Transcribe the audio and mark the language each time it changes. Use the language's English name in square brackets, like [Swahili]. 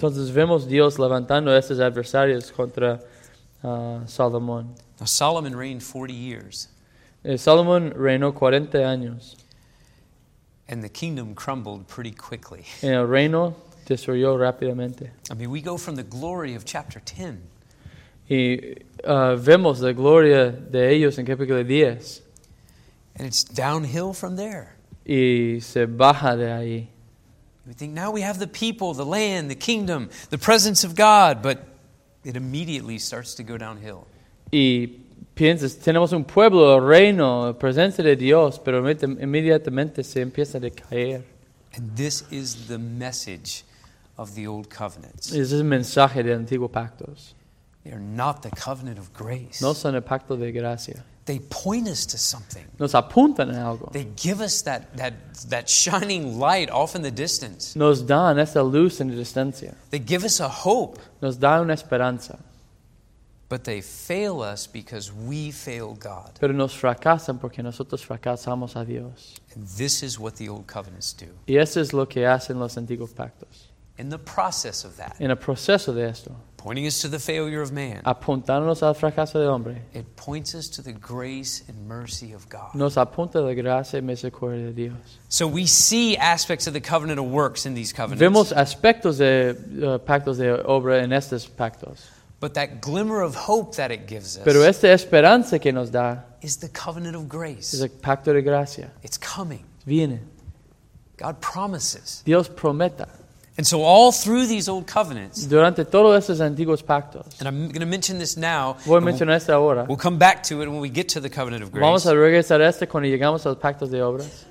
[Spanish] Entonces vemos Dios levantando estos adversarios contra Salomón. [English] Now Solomon reigned 40 years. [Spanish] Salomón reinó 40 años. [English] And the kingdom crumbled pretty quickly. [Spanish] En el reino destruyó rápidamente. [English] I mean, we go from the glory of chapter 10. [Spanish] Y vemos la gloria de ellos en capítulo 10. [English] And it's downhill from there. [Spanish] Y se baja de ahí. [English] We think now we have the people, the land, the kingdom, the presence of God, but it immediately starts to go downhill. [Spanish] Y piensas, tenemos un pueblo, el reino, la presencia de Dios, pero inmediatamente se empieza a decaer. [English] And this is the message of the old covenant. [Spanish] Es el mensaje de antiguo pactos. [English] They are not the covenant of grace. [Spanish] No son el pacto de gracia. [English] They point us to something. [Spanish] Nos apuntan a algo. [English] They give us that shining light off in the distance. [Spanish] Nos dan esa luz en la distancia. [English] They give us a hope. [Spanish] Nos dan una esperanza. [English] But they fail us because we fail God. [Spanish] Pero nos fracasan porque nosotros fracasamos a Dios. [English] And this is what the old covenants do. [Spanish] Y eso es lo que hacen los antiguos pactos. [English] In the process of that. [Spanish] En el proceso de esto. [English] Pointing us to the failure of man. [Spanish] Apuntándonos al fracaso del hombre. [English] It points us to the grace and mercy of God. [Spanish] Nos apunta la gracia y misericordia de Dios. [English] So we see aspects of the covenant of works in these covenants. [Spanish] Vemos aspectos de pactos de obra en estos pactos. [English] But that glimmer of hope that it gives us. [Spanish] Pero esta esperanza que nos da. [English] Is the covenant of grace. [Spanish] Es el pacto de gracia. [English] It's coming. [Spanish] Viene. [English] God promises. [Spanish] Dios prometa. [English] And so all through these old covenants. [Spanish] Durante todos estos antiguos pactos. [English] And I'm going to mention this now. [Spanish] Voy a mencionar esto ahora. [English] We'll come back to it when we get to the covenant of grace. [Spanish] Vamos a regresar a esto cuando llegamos a los pactos de obras.